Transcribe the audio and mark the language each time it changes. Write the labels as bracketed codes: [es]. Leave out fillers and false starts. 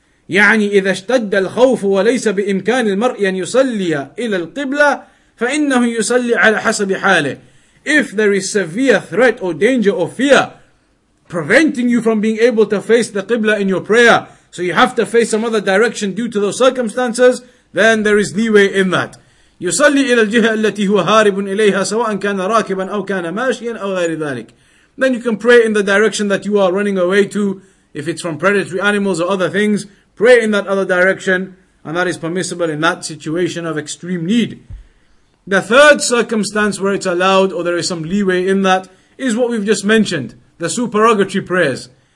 [ar] يعني إذا اشتد الخوف وليس بإمكان المرء أن يصلي إلى القبلة فإنه يصلي على حسب حاله. [en] If there is severe threat or danger or fear preventing you from being able to face the Qibla in your prayer, so you have to face some other direction due to those circumstances, then there is leeway in that. [ar] يصلي إلى الجهة التي هو هارب إليها سواء كان راكبا أو كان ماشيا أو غير ذلك. [en] Then you can pray in the direction that you are running away to, if it's from predatory animals or other things, pray in that other direction, and that is permissible in that situation of extreme need. The third circumstance where it's allowed, or there is some leeway in that, is what we've just mentioned, the supererogatory prayers.